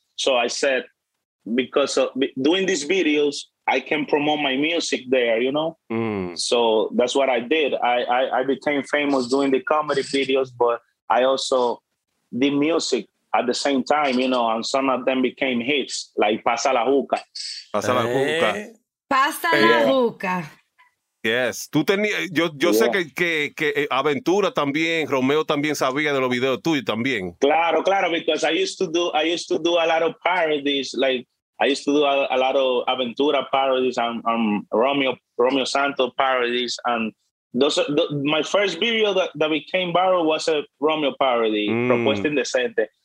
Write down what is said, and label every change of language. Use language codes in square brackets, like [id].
[en] So I said, because of doing these videos, I can promote my music there, you know? Mm. So that's what I did. I became famous doing the comedy videos, but I also did music at the same time, you know, and some of them became hits, like Pasa la Juca. [es] Pasa la Juca. Pasa la Juca. Yes, tú tenías. Yo sé que Aventura también, Romeo también sabía de los videos tuyos también. Claro, claro, [en] because I used to do a lot of parodies, a lot of Aventura parodies and Romeo Santos parodies, and My first video that became viral was a Romeo parody, Propuesta Indecente.